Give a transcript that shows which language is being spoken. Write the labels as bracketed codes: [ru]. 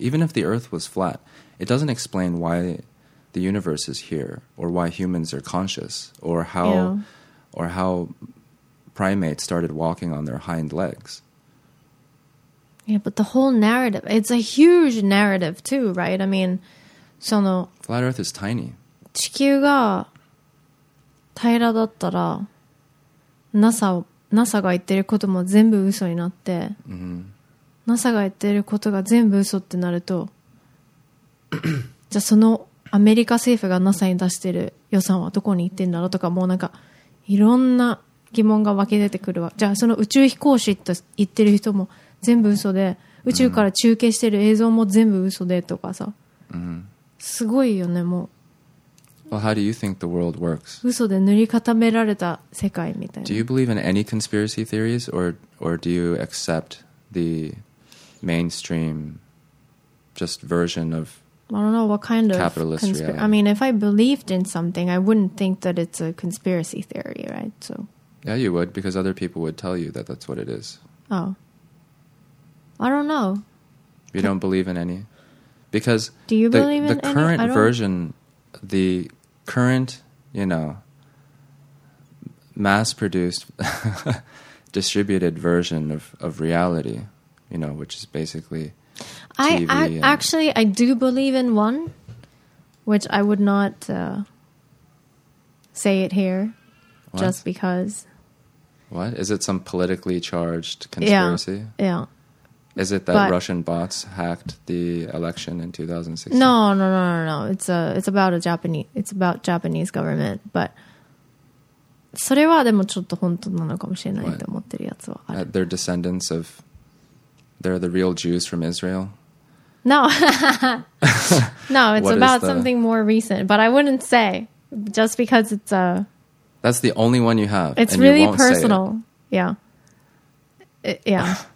[en] Even if the earth was flat, it doesn't explain why the universe is here or why humans are conscious or how primates started walking on their hind legs. Yeah, but the whole narrative, it's a huge narrative too, right? I mean, その flat earth is tiny. [ja] 地球が平らだったら NASA が言ってることも全部嘘になって、 mm-hmm. NASA が言ってることが全部嘘ってなるとじゃあそのアメリカ政府が NASA に出してる予算はどこに行ってんだろうとかもうなんかいろんな疑問が湧き出てくるわ。じゃあその宇宙飛行士と言ってる人も全部嘘で、宇宙から中継してる映像も全部嘘でとかさ、 mm-hmm. すごいよねもう。 [en] Well, how do you think the world works? [ja] 嘘で塗り固められた世界みたいな。 [en] Do you believe in any conspiracy theories or do you accept the mainstream just version of I don't know what kind of capitalist reality? I mean, if I believed in something, I wouldn't think that it's a conspiracy theory, right? So yeah, you would, because other people would tell you that that's what it is. Oh. I don't know. You don't believe in any? Because do you believe the current version... The current, you know, mass-produced, distributed version of reality, you know, which is basically I do believe in one, which I would not say it here, what? Just because. What? Is it some politically charged conspiracy? Yeah, yeah. Is it that Russian bots hacked the election in 2016? No. It's about Japanese government. [ja] But それはでもちょっと本当なのかもしれないと思ってるやつはある。 [en] They're descendants of, they're the real Jews from Israel? No. No, it's about something more recent. But I wouldn't say, just because it's a... That's the only one you have. It's really personal. Yeah. Yeah.